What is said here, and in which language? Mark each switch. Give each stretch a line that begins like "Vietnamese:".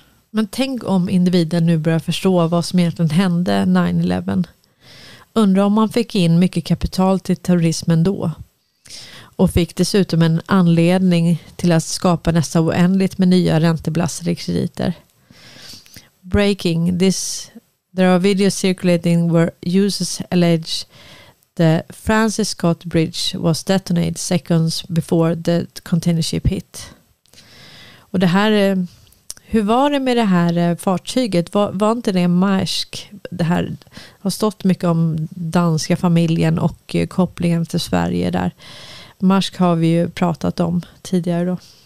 Swedish: Men tänk om individen nu börjar förstå vad som egentligen hände 9/11. Undrar om man fick in mycket kapital till terrorismen då. Och fick dessutom en anledning till att skapa nästa oändligt med nya ränteblastade krediter.
English: Breaking this. There are videos circulating where users allege the Francis Scott Bridge was detonated seconds before the container ship hit.
Swedish: Och det här, hur var det med det här fartyget? Var inte det Maersk? Det här har stått mycket om danska familjen och kopplingen till Sverige där. Maersk har vi ju pratat om tidigare då.